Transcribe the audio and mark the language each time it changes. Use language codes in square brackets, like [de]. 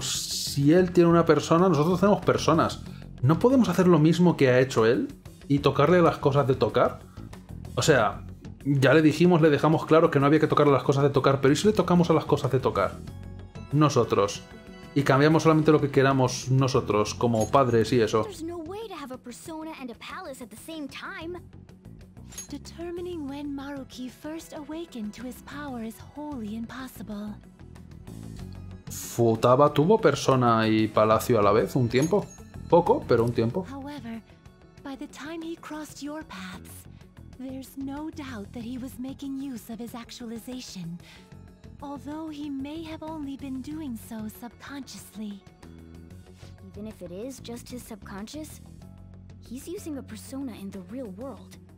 [es] si él tiene una persona, nosotros tenemos personas. ¿No podemos hacer lo mismo que ha hecho él? ¿Y tocarle las cosas de tocar? O sea, ya le dijimos, le dejamos claro que no había que tocar a las cosas de tocar, pero ¿y si le tocamos a las cosas de tocar? Nosotros. Y cambiamos solamente lo que queramos nosotros, como padres y eso. [en] There's no way to have a persona and a palace at the same time. Determining when Maruki first awakened to his power is wholly impossible. [es] Futaba tuvo persona y palacio a la vez un tiempo. Poco, pero un tiempo. [en] However, by the time he crossed your paths, there's no doubt that he was making use of his actualization. Although he may have only been doing so subconsciously. Even if it is just his subconscious, he's using a persona in the real world.